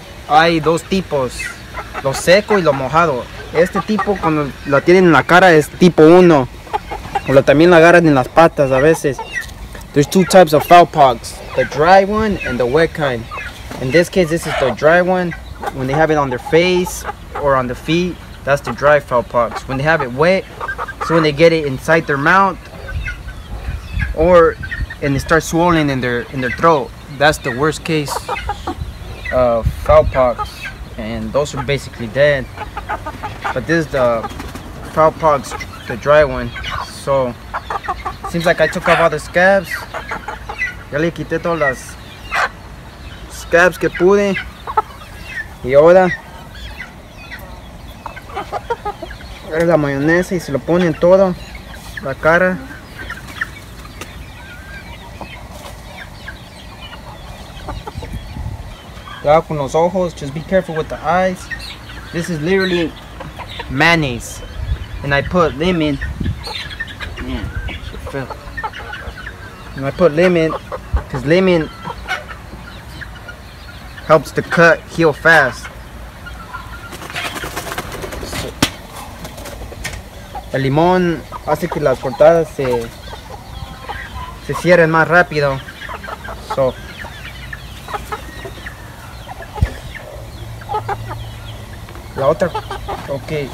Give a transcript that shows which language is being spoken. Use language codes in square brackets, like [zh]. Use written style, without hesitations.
[es] Hay dos tipos, lo seco y lo mojado. Este tipo, cuando la tienen en la cara, es tipo 1. O la también la agarran en las patas a veces. [en] There's two types of fowlpox, the dry one and the wet kind. In this case, this is the dry one. When they have it on their face or on the feet, that's the dry fowlpox. When they have it wet, so when they get it inside their mouth, or and it starts swollen in their throat, that's the worst case of fowlpox, and those are basically dead. But this is the fowlpox, the dry one. So seems like I took off all the scabs. [es] Ya le quité todas las scabs que pude, y ahora la mayonesa y se lo pone en todo la cara. Cuidado con los ojos. [en] Just be careful with the eyes. This is literally mayonnaise, and I put lemon. Man, it felt. And I put lemon because lemon helps the cut heal fast. [es] El limón hace que las cortadas se cierren más rápido. [en] So. [es] La otra. Ok.